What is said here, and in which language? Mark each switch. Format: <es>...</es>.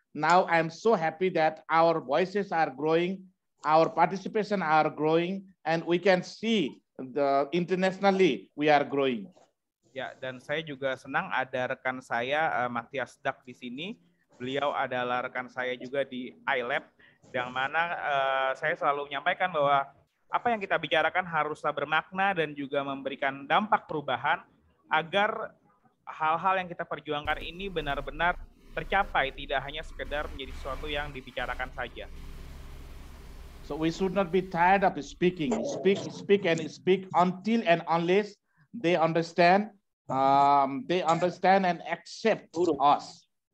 <en>Now I'm so happy that our voices are growing, our participation are growing, and we can see the internationally we are growing.</en> <id>Ya, dan saya juga senang ada rekan saya Matthias Duk di sini. Beliau adalah rekan saya juga di ILAB, yang mana saya selalu menyampaikan bahwa apa yang kita bicarakan haruslah bermakna dan juga memberikan dampak perubahan agar hal-hal yang kita perjuangkan ini benar-benar tercapai, tidak hanya sekedar menjadi sesuatu yang dibicarakan saja.</id> <en>So we should not be tired of speaking, speak, speak and speak until and unless they understand and accept us.</en>